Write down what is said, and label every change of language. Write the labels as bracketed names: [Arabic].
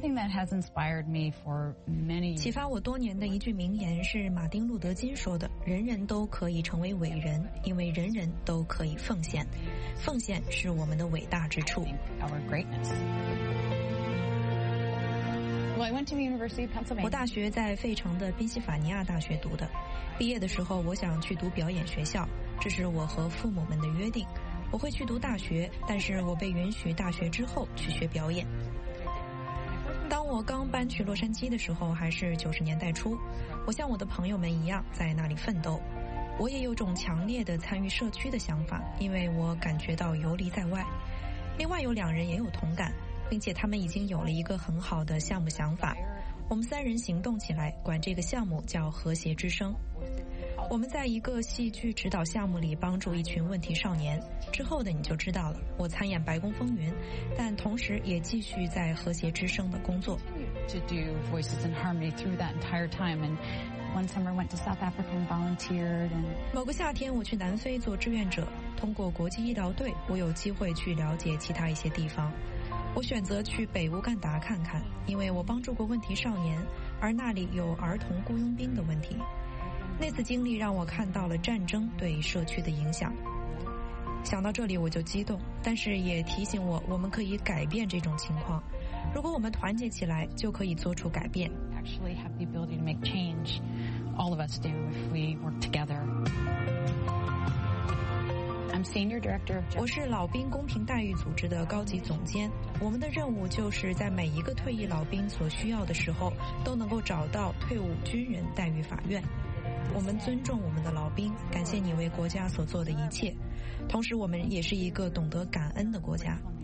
[English] has inspired me for many. [Chinese] 启发我多年的一句名言是马丁·路德·金说的：“人人都可以成为伟人，因为人人都可以奉献。奉献是我们的伟大之处。” [English] Our greatness. Well, I went to the University of Pennsylvania. [Chinese] 我大学在费城的宾夕法尼亚大学读的。毕业的时候，我想去读表演学校，这是我和父母们的约定。我会去读大学，但是我被允许大学之后去学表演。当我刚搬去洛杉矶的时候，还是90年代初，我像我的朋友们一样在那里奋斗。我也有种强烈的参与社区的想法，因为我感觉到游离在外。另外有两人也有同感。并且他们已经有了一个很好的项目想法，我们三人行动起来，管这个项目叫和谐之声。我们在一个戏剧指导项目里帮助一群问题少年，之后的你就知道了。我参演《白宫风云》，但同时也继续在和谐之声的工作。 [English] To do Voices in Harmony through that entire time, and one summer went to South Africa and volunteered. And [Chinese] 某个夏天我去南非做志愿者，通过国际医疗队，我有机会去了解其他一些地方。我选择去北乌干达看看，因为我帮助过问题少年，而那里有儿童雇佣兵的问题。那次经历让我看到了战争对社区的影响。想到这里我就激动，但是也提醒我，我们可以改变这种情况。如果我们团结起来，就可以做出改变。 [English] Actually have the ability to make change. All of us do if we work together. [Chinese] 我是老兵公平待遇组织的高级总监，我们的任务就是在每一个退役老兵所需要的时候都能够找到退伍军人待遇法院。我们尊重我们的老兵，感谢你为国家所做的一切，同时我们也是一个懂得感恩的国家。